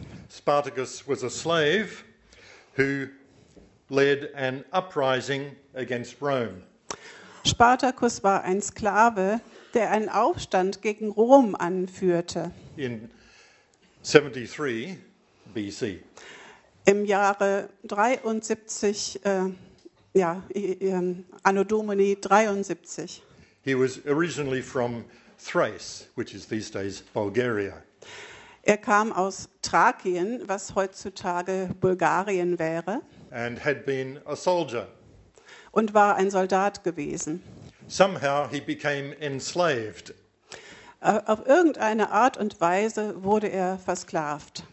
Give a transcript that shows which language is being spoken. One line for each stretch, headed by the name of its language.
English: Spartacus was a slave who led an uprising against Rome.
German: Spartacus war ein Sklave, der einen Aufstand gegen Rom anführte.
English: In 73 BC.
German: Im Jahre 73 Anno Domini 73.
English: He was originally from Thrace, which is these days Bulgaria.
German: Er kam aus Thrakien, was heutzutage Bulgarien wäre.
English: And had been a soldier.
German: Und war ein Soldat gewesen.
English: Somehow he became enslaved.
German: Auf irgendeine Art und Weise wurde er versklavt.